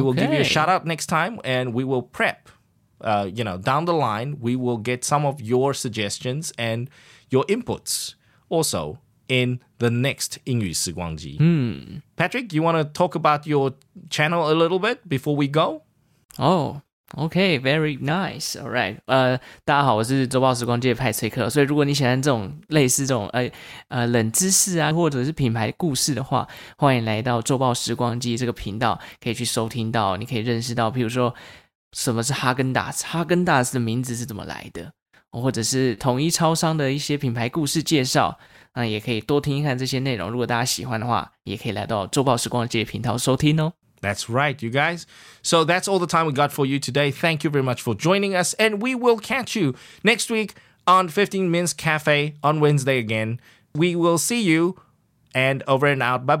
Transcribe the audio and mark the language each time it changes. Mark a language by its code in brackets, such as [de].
[en] will give you a shout out next time, and we will prep, you know, down the line, we will get some of your suggestions and your inputs also in the next 英语时光机. Hmm. Patrick, you want to talk about your channel a little bit before we go? Oh, okay, very nice. All right. [zh] 大家好，我是周报时光机的派崔克。所以如果你喜欢这种类似这种冷知识啊，或者是品牌故事的话，欢迎来到周报时光机这个频道，可以去收听到，你可以认识到，譬如说什么是哈根达斯，哈根达斯的名字是怎么来的，或者是统一超商的一些品牌故事介绍，那也可以多听一看这些内容。如果大家喜欢的话，也可以来到周报时光机的频道收听哦。 [en] That's right, you guys. So that's all the time we got for you today. Thank you very much for joining us. And we will catch you next week on 15 Minutes Cafe on Wednesday again. We will see you and over and out. Bye-bye.